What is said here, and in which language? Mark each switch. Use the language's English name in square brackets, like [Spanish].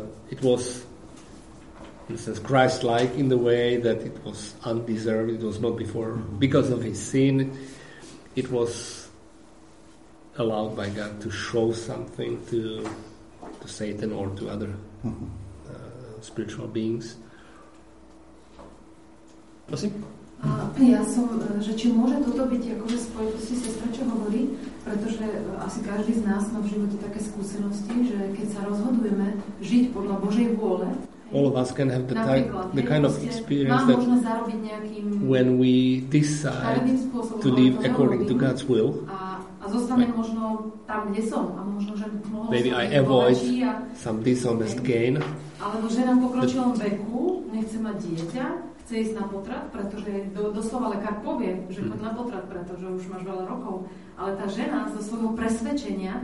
[English] It was, in a sense, Christ-like in the way that it was undeserved. It was not before because of his sin. It was allowed by God to show something to Satan or to other spiritual beings. [Slovak] Prosím. Ja som, že či môže toto byť akože spojitosti sestra, čo hovorí, pretože asi každý z nás má v živote také skúsenosti, že keď sa rozhodujeme žiť podľa Božej vôle, [English] all of us can have the kind of experience that [Slovak] nejakým, [English] when we decide to live according to God's will, [Slovak] a zostane možno tam, kde som, a možno, že mohol [English] maybe I avoid some dishonest gain, [Slovak] alebo žena v pokročilom veku nechce mať dieťa, chce ísť na potrat, pretože doslova lekár povie, že chod na potrat, pretože už máš veľa rokov, ale tá žena zo svojho presvedčenia